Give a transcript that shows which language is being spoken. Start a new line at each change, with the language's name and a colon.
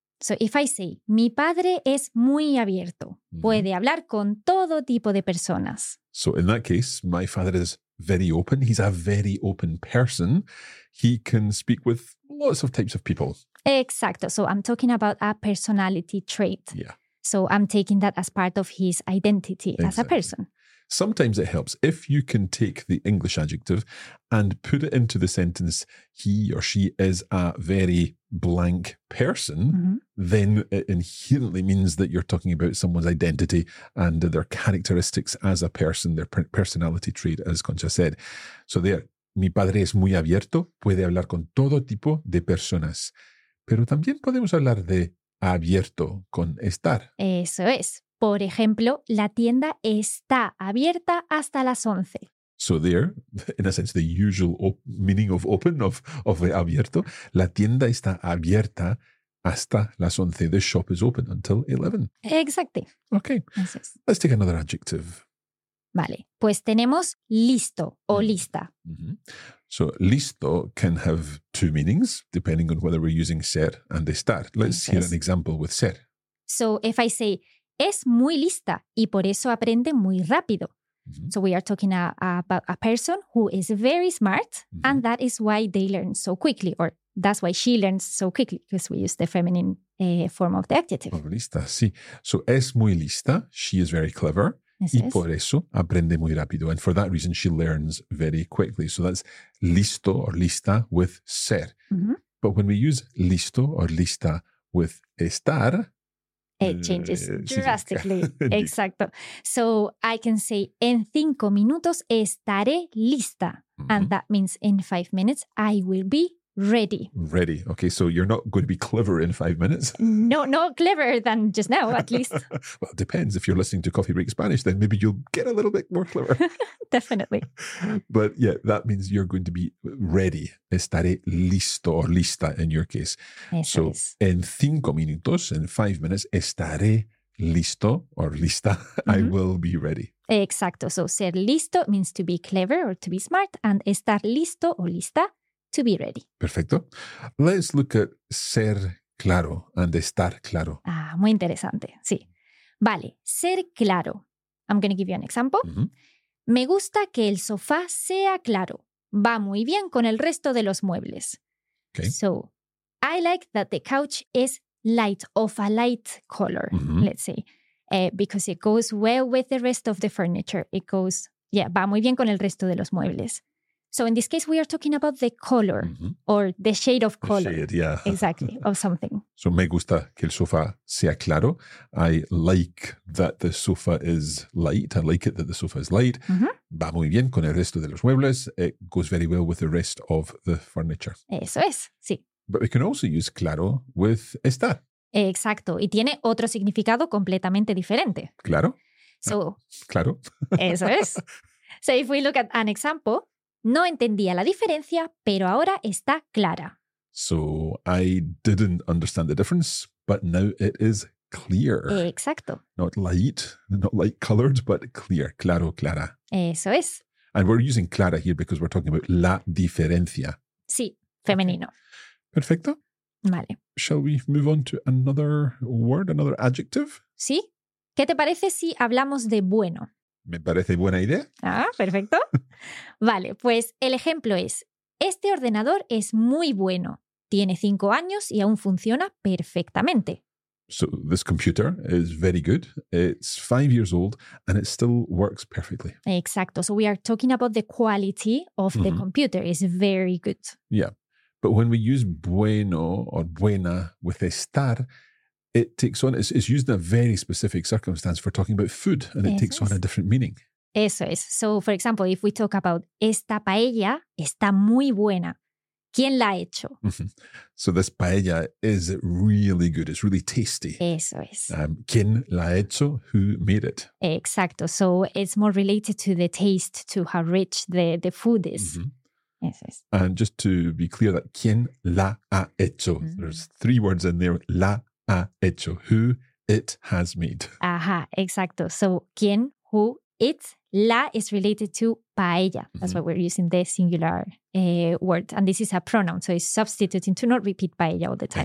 English: So, if I say,
Spanish: mi padre es muy abierto, puede hablar con todo tipo de personas.
English: So, in that case, my father is very open. He's a very open person. He can speak with lots of types of people.
Spanish: Exacto.
English: So, I'm talking about a personality trait. Yeah. So, I'm taking that as part of his identity as a person. Sometimes it helps if you can take the English adjective and put it into the sentence, he or she is a very blank person, then it inherently means that you're talking about someone's identity and their characteristics as a person, their personality trait, as Concha said. So there,
Spanish: mi padre es muy abierto, puede hablar con todo tipo de personas. Pero también podemos hablar de abierto con estar. Eso es. Por ejemplo, la tienda está abierta hasta las 11.
English: So there, in a sense, the usual meaning of open, of abierto.
Spanish: La tienda está abierta hasta las 11.
English: This shop is open until 11. Exactly. Okay. Entonces, let's take another adjective.
Spanish: Vale. Pues tenemos listo o lista.
English: Mm-hmm. So listo can have two meanings depending on whether we're using ser and estar. Let's hear an example with ser. So if I say,
Spanish: es muy lista y por eso aprende muy rápido. Mm-hmm.
English: So we are talking about a person who is very smart, mm-hmm. and that is why they learn so quickly, or that's why she learns so quickly, because we use the feminine form of the adjective.
Spanish: Por lista, sí. So es muy lista,
English: she is very clever,
Spanish: y por eso aprende muy rápido.
English: And for that reason, she learns very quickly. So that's listo or lista with ser. Mm-hmm. But when we use listo or lista with estar, it changes drastically. Exacto. So I can say,
Spanish: en 5 minutos estaré lista.
English: Mm-hmm. And that means in 5 minutes, I will be ready. Ready. Okay, so you're not going to be clever in 5 minutes. No, no cleverer than just now, at least. Well, it depends. If you're listening to Coffee Break Spanish, then maybe you'll get a little bit more clever. Definitely. But yeah, that means you're going to be ready.
Spanish: Estaré listo
English: or lista in your case.
Spanish: Eso es. En 5 minutos,
English: in 5 minutes,
Spanish: estaré listo or lista. Mm-hmm.
English: I will be ready. Exacto. So ser listo means to be clever or to be smart, and
Spanish: estar listo o lista,
English: to be ready. Perfecto. Let's look at ser claro and estar claro.
Spanish: Ah, muy interesante. Sí. Vale, ser claro.
English: I'm going to give you an example. Mm-hmm.
Spanish: Me gusta que el sofá sea claro. Va muy bien con el resto de los muebles.
English: Okay. So, I like that the couch is light, of a light color, mm-hmm. let's say, because it goes well with the rest of the furniture. It goes, yeah,
Spanish: va muy bien con el resto de los muebles.
English: So in this case, we are talking about the color, mm-hmm. or the shade of color. The shade, yeah. Exactly, of something.
Spanish: So me gusta que el sofá sea claro.
English: I like that the sofa is light. I like it that the sofa is light. Mm-hmm.
Spanish: Va muy bien con el resto de los muebles.
English: It goes very well with the rest of the furniture.
Spanish: Eso es, sí.
English: But we can also use claro with estar.
Spanish: Exacto, y tiene otro significado completamente diferente. Claro.
English: So,
Spanish: claro. Eso es.
English: So if we look at an example,
Spanish: no entendía la diferencia, pero ahora está clara.
English: So, I didn't understand the difference, but now it is clear.
Spanish: Exacto.
English: Not light, not light colored, but clear.
Spanish: Claro, clara. Eso es.
English: And we're using clara here because we're talking about la diferencia.
Spanish: Sí, femenino. Perfecto. Vale.
English: Shall we move on to another word, another adjective?
Spanish: Sí. ¿Qué te parece si hablamos de bueno? Me parece buena idea. Ah, perfecto. Vale, pues el ejemplo es, este ordenador es muy bueno. Tiene 5 años y aún funciona perfectamente.
English: So, this computer is very good. It's 5 years old and it still works perfectly.
Spanish: Exacto.
English: So, we are talking about the quality of the computer. It's very good. Yeah. But when we use bueno or buena with estar, it takes on, it's used in a very specific circumstance for talking about food, and it takes on a different meaning.
Spanish: Eso es.
English: So, for example, if we talk about
Spanish: esta paella está muy buena. ¿Quién la ha hecho?
English: So this paella is really good. It's really tasty.
Spanish: Eso es. ¿Quién la ha hecho?
English: Who made it?
Spanish: Exacto.
English: So it's more related to the taste, to how rich the food is. Mm-hmm.
Spanish: Eso es.
English: And just to be clear, that
Spanish: ¿quién la ha hecho? Mm-hmm.
English: There's 3 words in there,
Spanish: la ha hecho,
English: who it has made.
Spanish: Ajá, exacto.
English: So, quién, who, it, la is related to paella. That's mm-hmm. why we're using the singular word. And this is a pronoun, so it's substituting to not repeat paella all the time.